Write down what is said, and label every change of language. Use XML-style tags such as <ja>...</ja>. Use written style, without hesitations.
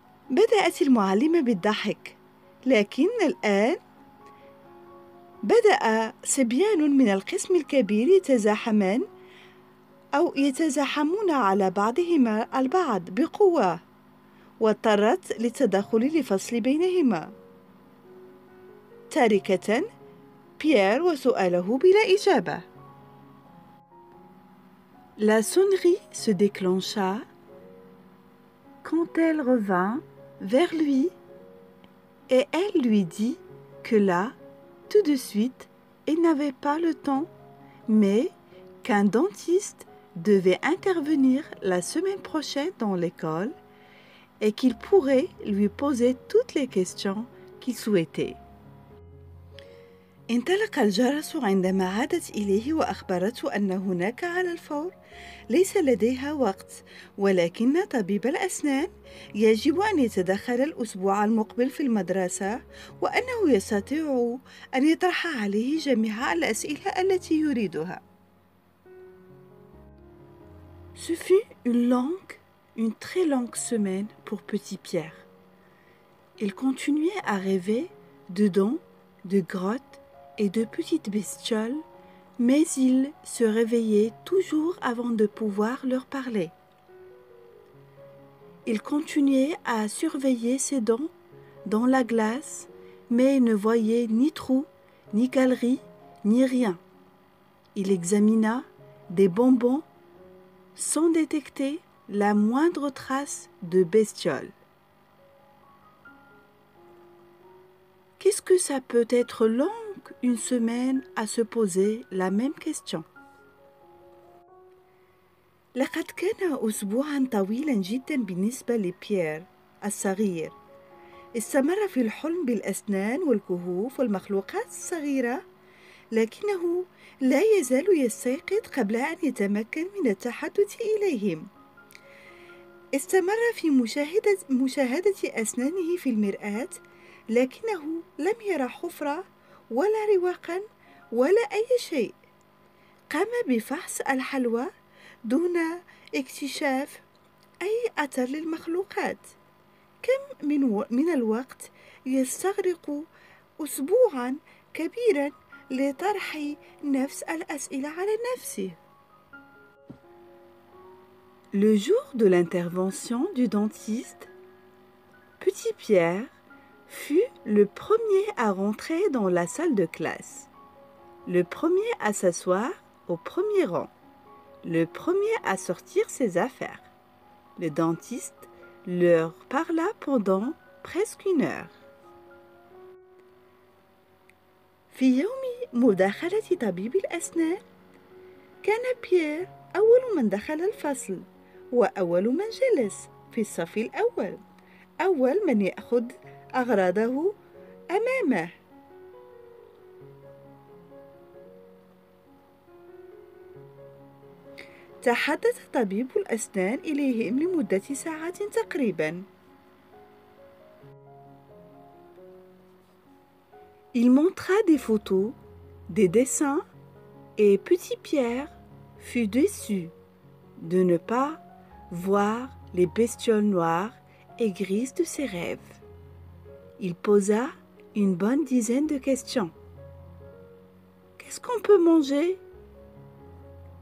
<ar>بدأت المعلمة بالضحك، لكن الآن بدأ صبيان من القسم الكبير يتزاحمان أو يتزاحمون على بعضهما البعض بقوة، واضطرت للتدخل لفصل بينهما، تاركة بيير وسؤاله بلا إجابة.</ar> <fr>La sonnerie se déclencha quand elle revint vers lui et elle lui dit que là, tout de suite, elle n'avait pas le temps, mais qu'un dentiste devait intervenir la semaine prochaine dans l'école et qu'il pourrait lui poser toutes les questions qu'il souhaitait.</fr> <ar>انطلق الجرس عندما عادت إليه وأخبرته أن هناك على الفور ليس لديها وقت ولكن طبيب الأسنان يجب أن يتدخل الأسبوع المقبل في المدرسة وأنه يستطيع أن يطرح عليه جميع الأسئلة التي يريدها.</ar> <fr>Ce fut une très longue semaine pour Petit Pierre. Il continuait à rêver de dents, de grottes et de petites bestioles, mais il se réveillait toujours avant de pouvoir leur parler. Il continuait à surveiller ses dents dans la glace, mais ne voyait ni trous, ni galeries, ni rien. Il examina des bonbons sans détecter la moindre trace de bestiole. Qu'est-ce que ça peut être long une semaine à se poser la même question ?</fr> <ar>لقد كان أسبوعا طويلا جدا بالنسبة لبيير الصغير. استمر في الحلم بالأسنان والكهوف والمخلوقات الصغيرة، لكنه لا يزال يستيقظ قبل أن يتمكن من التحدث إليهم. استمر في مشاهدة أسنانه في المرآة، لكنه لم يرى حفرة ولا رواقا ولا أي شيء. قام بفحص الحلوى دون اكتشاف أي أثر للمخلوقات. كم من الوقت يستغرق أسبوعا كبيرا لطرح نفس الأسئلة على نفسه.</ar> <fr>Le jour de l'intervention du dentiste, Petit Pierre fut le premier à rentrer dans la salle de classe, le premier à s'asseoir au premier rang, le premier à sortir ses affaires. Le dentiste leur parla pendant presque une heure.</fr> <ar>في يوم مداخلة طبيب الأسنان، كان بيير أول من دخل الفصل وأول من جلس في الصف الأول، أول من يأخذ أغراضه أمامه. تحدث طبيب الأسنان إليهم لمدة ساعات تقريباً.</ar> <fr>Il montra des photos, des dessins, et Petit Pierre fut déçu de ne pas voir les bestioles noires et grises de ses rêves. Il posa une bonne dizaine de questions. Qu'est-ce qu'on peut manger ?</fr>